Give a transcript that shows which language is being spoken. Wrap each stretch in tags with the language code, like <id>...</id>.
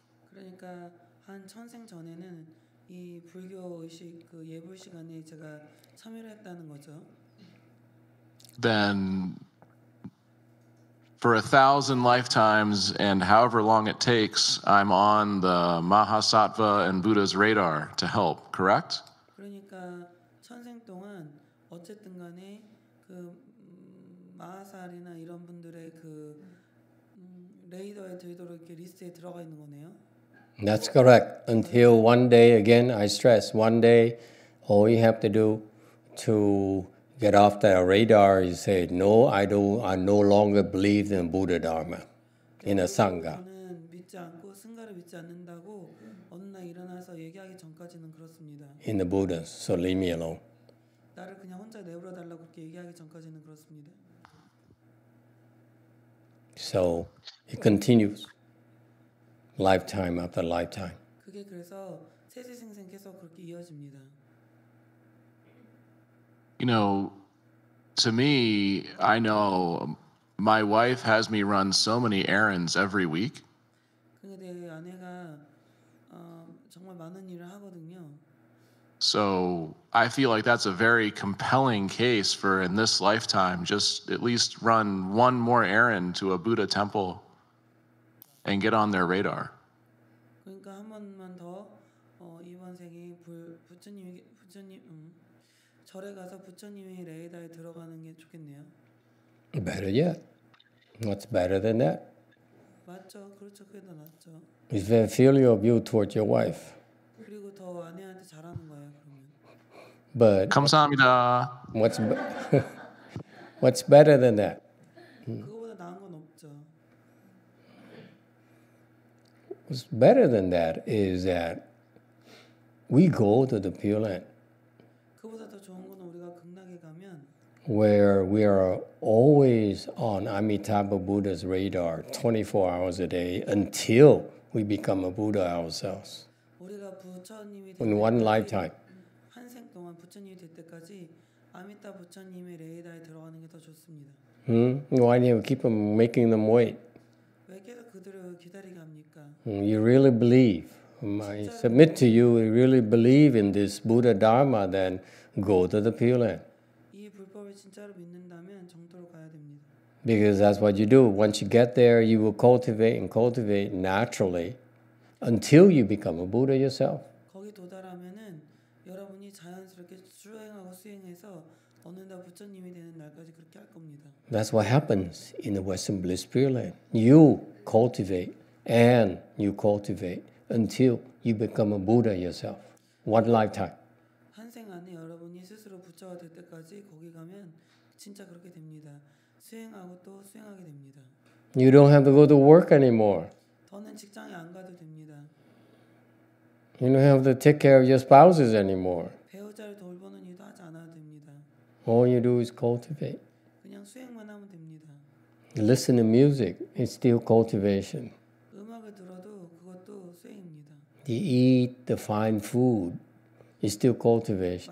<ko>그러니까 한 천생 전에는 이 불교 의식 그 예불 시간에 제가 참여를 했다는 거죠.</ko> <en>Then for 1,000 lifetimes and however long it takes, I'm on the Mahasattva and Buddha's radar to help, correct?</en> <ko>그러니까 천생 동안 어쨌든 간에 그 마하살이나 이런 분들의 그 레이더에 들도록 리스트에 들어가 있는 거네요.</ko> <en>That's correct. Until one day, again, I stress, one day all you have to do to get off the radar is say, no, I no longer believe in Buddha Dharma, in a Sangha.</en> <ko>믿지 않고 승가를 믿지 않는다고 어느 날 일어나서 얘기하기 전까지는 그렇습니다.</ko> <en>In the Buddha, so leave me alone.</en> <ko>나를 그냥 혼자 내버려 달라고 그렇게 얘기하기 전까지는 그렇습니다.</ko> <en>So it continues lifetime after lifetime.</en> <ko>그게 그래서 세세생생 계속 그렇게 이어집니다.</ko> <en>You know, to me, I know my wife has me run so many errands every week.</en> <ko>근데 아내가 정말 많은 일을 하거든요.</ko> <en>So I feel like that's a very compelling case for in this lifetime, just at least run one more errand to a Buddha temple and get on their radar.</en> <ko>그러니까 한 번만 더 이번 생에 부처님 절에 가서 부처님의 레이더에 들어가는 게 좋겠네요.</ko> <en>Better yet. What's better than that?</en> <ko>맞죠. 그렇죠. 그게 더 낫죠.</ko> <en>Is there failure of you towards your wife?</en> <ko>그리고 더 아내한테 잘하는 거예요.</ko> <en>But</en> <ko>감사합니다.</ko> <en>What's better than that?</en> <ko>그거보다 나은 건 없죠.</ko> <en>What's better than that is that we go to the Pure Land.</en> <ko>그보다 더 좋은 건 우리가 극락에 가면</ko> <en>where we are always on Amitabha Buddha's radar 24 hours a day until we become a Buddha ourselves.</en> <ko>우리가 부처님이</ko> <en>in one lifetime.</en> <ko>부처님이 될 때까지 아미타 부처님의 레이더에 들어가는 게 더 좋습니다.</ko> <en>Why do you keep making them wait?</en> <ko>왜 계속 그들을 기다리게 합니까?</ko> <en>You really believe. I submit to you, you really believe in this Buddha Dharma, then go to the Pure Land.</en> <ko>이 불법을 진짜로 믿는다면 정도로 가야 됩니다.</ko> <en>Because that's what you do. Once you get there, you will cultivate and cultivate naturally until you become a Buddha yourself.</en> <ko>거기 도달하면은 여러분이 자연스럽게 수행하고 수행해서 어느 날 부처님이 되는 날까지 그렇게 할 겁니다.</ko> <en>That's what happens in the Western Bliss Pure Land. You cultivate and you cultivate until you become a Buddha yourself. One lifetime.</en> <ko>한 생 안에 여러분이 스스로 부처가 될 때까지 거기 가면 진짜 그렇게 됩니다. 수행하고 또 수행하게 됩니다.</ko> <en>You don't have to go to work anymore.</en> <ko>더는 직장에 안 가도 됩니다.</ko> <en>You don't have to take care of your spouses anymore.</en> <ko>배우자를 돌보는 일도 하지 않아도 됩니다.</ko> <en>All you do is cultivate.</en> <ko>그냥 수행만 하면 됩니다.</ko> <en>Listen to music. It's still cultivation.</en> <ko>음악을 들어도 그것도 수행입니다.</ko> <en>You eat the fine food. It's still cultivation.</en>